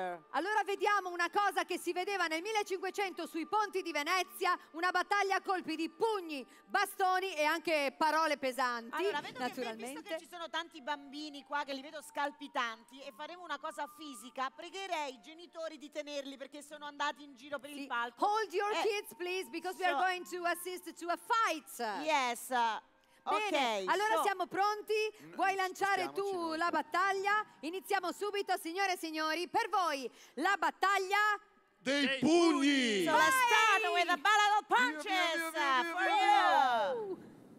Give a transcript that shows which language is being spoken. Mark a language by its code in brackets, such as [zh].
[it] Allora vediamo una cosa che si vedeva nel 1500 sui ponti di Venezia, una battaglia a colpi di pugni, bastoni e anche parole pesanti. Allora vedo naturalmente. Che ci sono tanti bambini qua che li vedo scalpitanti e faremo una cosa fisica. Pregherei i genitori di tenerli perché sono andati in giro per il palco. [en] Hold your kids please because we are going to a fight. Yes. [it] Bene, okay, allora siamo pronti. Vuoi lanciare tu la battaglia? Iniziamo subito, signore e signori, per voi la battaglia dei pugni. [en] So let's start with a battle of punches for you.